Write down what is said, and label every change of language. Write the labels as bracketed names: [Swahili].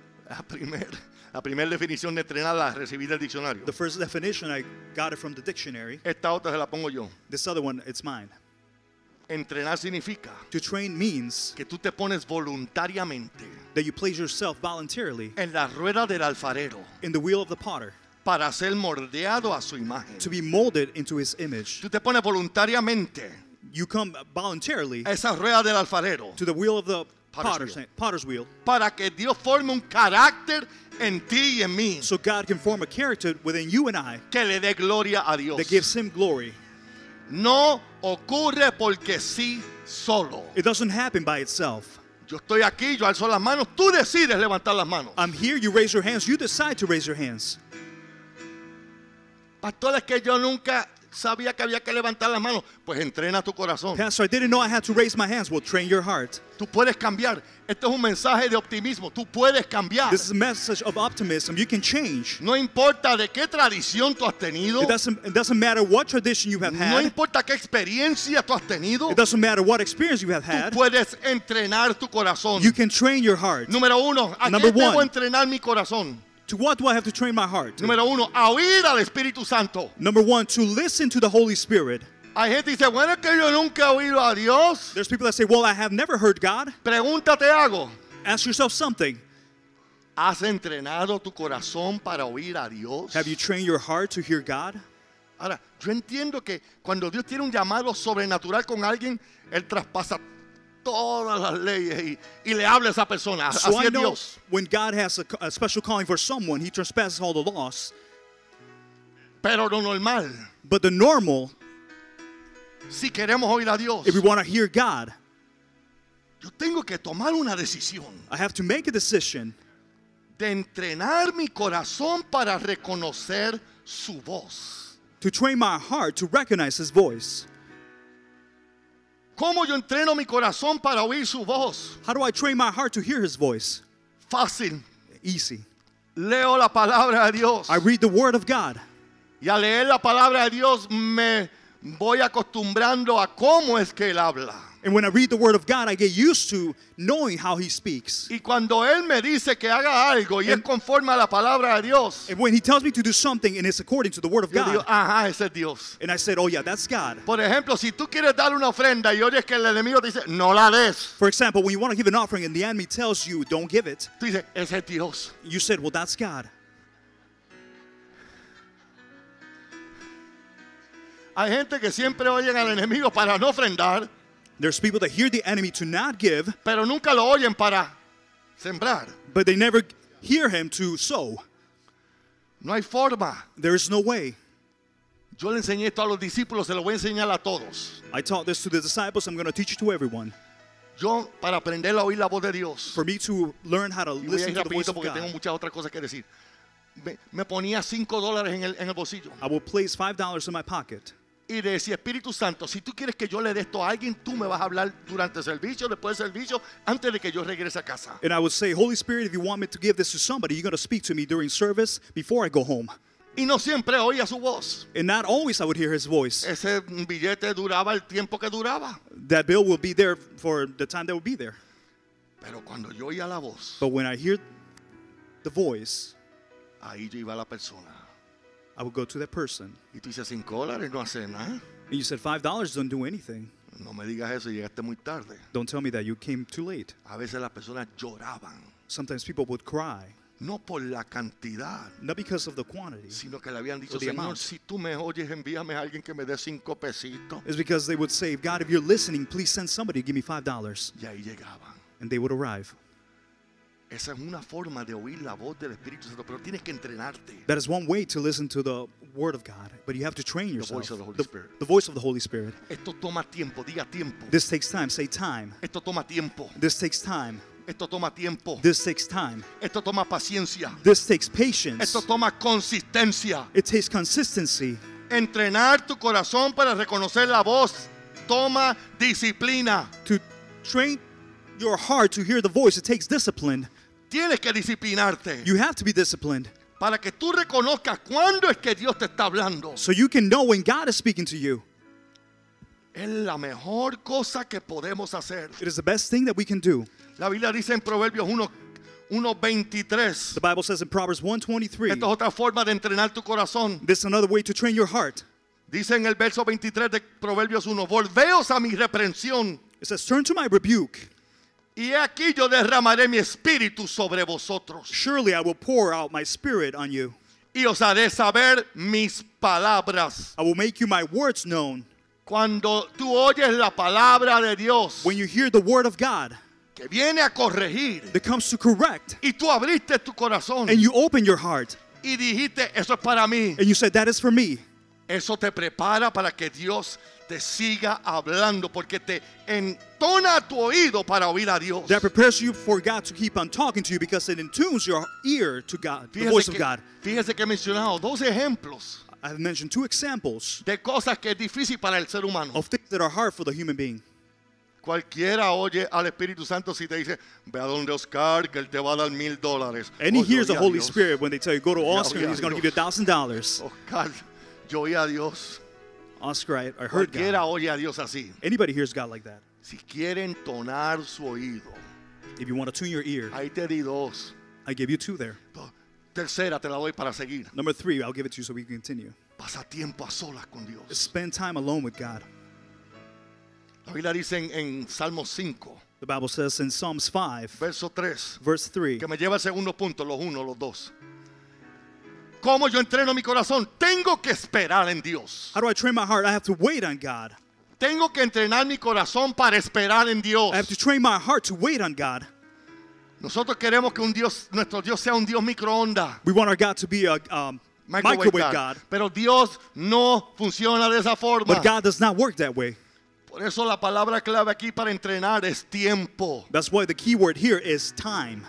[Spanish] La primera definición de entrenar la recibí del diccionario. [English] The first definition, I got it from the dictionary. [Spanish] Esta otra se la pongo yo. [English] This other one, it's mine. [Spanish] Entrenar significa [English] to train means [Spanish] que tú te pones voluntariamente [English] that you place yourself voluntarily [Spanish] en la rueda del alfarero [English] in the wheel of the potter [Spanish] para ser moldeado a su imagen. [English] To be molded into his image. [Spanish] Tú te pones voluntariamente [English] you come voluntarily [Spanish] a esa rueda del alfarero [English] to the wheel of the potter's wheel [Spanish] para que Dios forme un carácter en ti y en mí [English] so God can form a character within you and I [Spanish] que le dé gloria a Dios [English] that gives him glory. [Spanish] No ocurre porque sí solo. [English] It doesn't happen by itself. [Spanish] Yo estoy aquí, yo alzo las manos, tú decides levantar las manos. [English] I'm here, you raise your hands, you decide to raise your hands. [Spanish] Pastor, es que yo nunca sabía que había que levantar las manos. Pues entrena tu corazón. [English] Pastor, I didn't know I had to raise my hands. Well, train your heart. [Spanish] Tú puedes cambiar. Este es un mensaje de optimismo. Tú puedes cambiar. [English] This is a message of optimism. You can change. [Spanish] No importa de qué tradición tú has tenido. [English] It doesn't matter what tradition you have had. [Spanish] No importa qué experiencia tú has tenido. [English] It doesn't matter what experience you have had. [Spanish] Tú puedes entrenar tu corazón. [English] You can train your heart. [Spanish] Número uno. ¿A [English] number [Spanish] qué [English] one. [Spanish] Debo entrenar mi corazón? [English] To what do I have to train my heart? [Spanish] Número uno, a oír al Espíritu Santo. [English] Number one, to listen to the Holy Spirit. [Spanish] Hay gente dice, bueno, que yo nunca he oído a Dios. [English] There's people that say, well, I have never heard God. [Spanish] Pregúntate algo. [English] Ask yourself something. [Spanish] ¿Has entrenado tu corazón para oír a Dios? [English] Have you trained your heart to hear God? [Spanish] Ahora, yo entiendo que cuando Dios tiene un llamado sobrenatural con alguien, Él traspasa todas las leyes y le habla a esa persona. [English] So [Spanish] así [English] I know [Spanish] Dios. [English] When God has a special calling for someone, He transgresses all the laws. [Spanish] Pero lo normal. [English] But the normal. [Spanish] Si queremos oír a Dios. [English] If we want to hear God. [Spanish] Yo tengo que tomar una decisión. [English] I have to make a decision. [Spanish] De entrenar mi corazón para reconocer su voz. [English] To train my heart to recognize His voice. [Spanish] ¿Cómo yo entreno mi corazón para oír su voz? [English] How do I train my heart to hear his voice? [Spanish] Fácil. [English] Easy. [Spanish] Leo la palabra de Dios. [English] I read the word of God. [Spanish] Y al leer la palabra de Dios me voy acostumbrando a cómo es que él habla. [English] And when I read the word of God, I get used to knowing how he speaks. [Spanish] Y cuando él me dice que haga algo y es conforme a la palabra de Dios. [English] And when he tells me to do something and it's according to the word of God. [Spanish] Yo digo, ajá, ese es Dios. [English] And I said, oh yeah, that's God. [Spanish] Por ejemplo, si tú quieres dar una ofrenda y oyes que el enemigo te dice, no la des. [English] For example, when you want to give an offering and the enemy tells you, don't give it. [Spanish] Tú dices, ese es Dios. [English] You said, well, that's God. [Spanish] Hay gente que siempre oyen al enemigo para no ofrendar. [English] There's people that hear the enemy to not give. [Spanish] Pero nunca lo oyen para sembrar. [English] But they never hear him to sow. [Spanish] No hay forma. [English] There is no way. [Spanish] Yo le enseñé esto a los discípulos, se lo voy a enseñar a todos. [English] I taught this to the disciples, I'm going to teach it to everyone. [Spanish] Yo, para aprender a oír la voz de Dios. [English] For me to learn how to listen to the voice of God. [Spanish] Porque tengo muchas otras cosas que decir. Me ponía $5 en el bolsillo. [English] I will place $5 in my pocket. [Spanish] Y decía, Espíritu Santo, si tú quieres que yo le dé esto a alguien, tú me vas a hablar durante el servicio, después del servicio, antes de que yo regrese a casa. [English] And I would say, Holy Spirit, if you want me to give this to somebody, you're going to speak to me during service before I go home. [Spanish] Y no siempre oía su voz. [English] And not always I would hear his voice. [Spanish] Ese billete duraba el tiempo que duraba. [English] That bill will be there for the time that will be there. [Spanish] Pero cuando yo oía la voz. [English] But when I hear the voice. [Spanish] Ahí yo iba la persona. [English] I would go to that person. [Spanish] Y tú dices, $5 no hace nada. [English] And you said, $5 don't do anything. [Spanish] No me digas eso, llegaste muy tarde. [English] Don't tell me that you came too late. [Spanish] A veces las personas lloraban. [English] Sometimes people would cry. [Spanish] No por la cantidad. [English] Not because of the quantity. [Spanish] Sino que le habían dicho, Señor, si tú me oyes, envíame a alguien que me dé cinco pesitos. [English] It's because they would say, God, if you're listening, please send somebody to give me $5. [Spanish] Y ahí llegaban. [English] And they would arrive. [Spanish] Esa es una forma de oír la voz del Espíritu Santo, pero tienes que entrenarte. [English] That is one way to listen to the word of God, but you have to train yourself. The voice of the Holy Spirit. The voice of the Holy Spirit. [Spanish] Esto toma tiempo, diga tiempo. [English] This takes time, say time. [Spanish] Esto toma tiempo. [English] This takes time. [Spanish] Esto toma tiempo. [English] This takes time. [Spanish] Esto toma paciencia. [English] This takes patience. [Spanish] Esto toma consistencia. [English] It takes consistency. [Spanish] Entrenar tu corazón para reconocer la voz toma disciplina. [English] To train your heart to hear the voice, it takes discipline. [Spanish] Tienes que disciplinarte. [English] You have to be disciplined. [Spanish] Para que tú reconozcas cuándo es que Dios te está hablando. [English] So you can know when God is speaking to you. [Spanish] Es la mejor cosa que podemos hacer. [English] It is the best thing that we can do. [Spanish] La Biblia dice en Proverbios 1:23. [English] The Bible says in Proverbs 1:23. [Spanish] Esta es otra forma de entrenar tu corazón. [English] This is another way to train your heart. [Spanish] Dice en el verso 23 de Proverbios 1, volveos a mi reprensión. [English] It says, turn to my rebuke. [Spanish] Y aquí yo derramaré mi espíritu sobre vosotros. [English] Surely I will pour out my spirit on you. [Spanish] Y os haré saber mis palabras. [English] I will make you my words known. [Spanish] Cuando tú oyes la palabra de Dios, [English] when you hear the word of God, [Spanish] que viene a corregir, [English] that comes to correct, [Spanish] y tú abriste tu corazón, [English] and you open your heart, [Spanish] y dijiste, eso es para mí, [English] and you said, that is for me. [Spanish] Eso te prepara para que Dios te siga hablando, porque te entona tu oído para oír a Dios. [English] That prepares you for God to keep on talking to you because it entunes your ear to God, [Spanish] fíjese [English] the voice [Spanish] que, [English] of God. [Spanish] Fíjese que he mencionado dos ejemplos. [English] I have mentioned two examples [Spanish] de cosas que es difícil para el ser humano. [English] Of things that are hard for the human being. [Spanish] Cualquiera oye al Espíritu Santo si te dice, ve a donde Oscar, que él te va a dar $1,000. [English] And he hears the Holy Spirit when they tell you, go to Oscar, and he's going to give you $1,000. [Spanish] Oscar, yo oí a Dios. [English] Oscar, I heard God. [Spanish] Cualquiera oye a Dios así. [English] Anybody hears God like that. [Spanish] Si quiere entonar su oído. [English] If you want to tune your ear. [Spanish] Ahí te di dos. [English] I gave you two there. [Spanish] Tercera, te la doy para seguir. [English] Number three, I'll give it to you so we can continue. [Spanish] Pasa tiempo a solas con Dios. [English] Spend time alone with God. [Spanish] La Biblia dice en Salmo 5. [English] The Bible says in Psalms 5. [Spanish] Verso 3. [English] Verse 3. [Spanish] Que me lleva al segundo punto, los uno, los dos. ¿Cómo yo entreno mi corazón? Tengo que esperar en Dios. [English] How do I train my heart? I have to wait on God. [Spanish] Tengo que entrenar mi corazón para esperar en Dios. [English] I have to train my heart to wait on God. [Spanish] Nosotros queremos que un Dios, nuestro Dios sea un Dios microondas. [English] We want our God to be a microwave God. [Spanish] Pero Dios no funciona de esa forma. [English] But God does not work that way. [Spanish] Por eso la palabra clave aquí para entrenar es tiempo. [English] That's why the key word here is time.